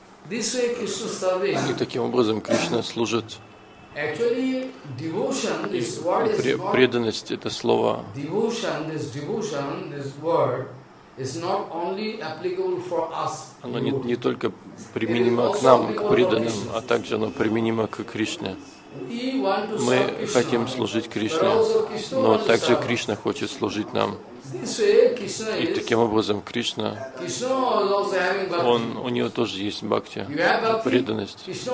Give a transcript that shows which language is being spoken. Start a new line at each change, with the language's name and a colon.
Russian: И таким образом Кришна служит.
English: Actually, devotion, this word is not.
Russian: Преданность, это слово.
English: Devotion, this word, is not only applicable for us.
Russian: Оно не только применимо к нам, к преданным, а также оно применимо к Кришне. Мы хотим служить Кришне, но также Кришна хочет служить нам. И таким образом Кришна, у него тоже есть бхакти, преданность.